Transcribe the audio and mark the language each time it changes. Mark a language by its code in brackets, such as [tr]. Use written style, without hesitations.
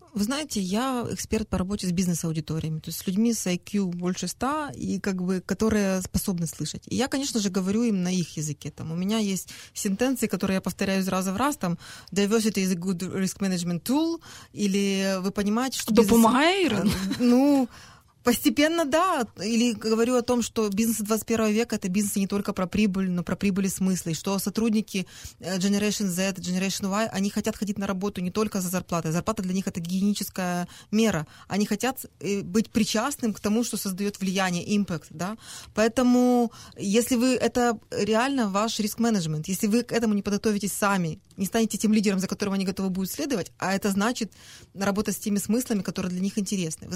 [uk] Ви знаєте, я експерт по роботі з бізнес-аудиторіями, тобто з людьми з IQ більше 100, і якби, які способні слухати. І я, звісно ж, говорю їм на їх язикі. Там у мене є сентенції, які я повторяю з разу в раз, там [en] diversity is a good risk management tool, [uk] або ви розумієте, що бізнес... Допомагає? [ru] Ну, постепенно, да. Или говорю о том, что бизнес 21 века – это бизнес не только про прибыль, но про прибыль и смыслы. Что сотрудники Generation Z, Generation Y, они хотят ходить на работу не только за зарплатой. Зарплата для них – это гигиеническая мера. Они хотят быть причастным к тому, что создает влияние, импакт. Да? Поэтому, если вы это реально ваш риск-менеджмент, если вы к этому не подготовитесь сами, не станете тем лидером, за которым они готовы будут следовать, а это значит работать с теми смыслами, которые для них интересны.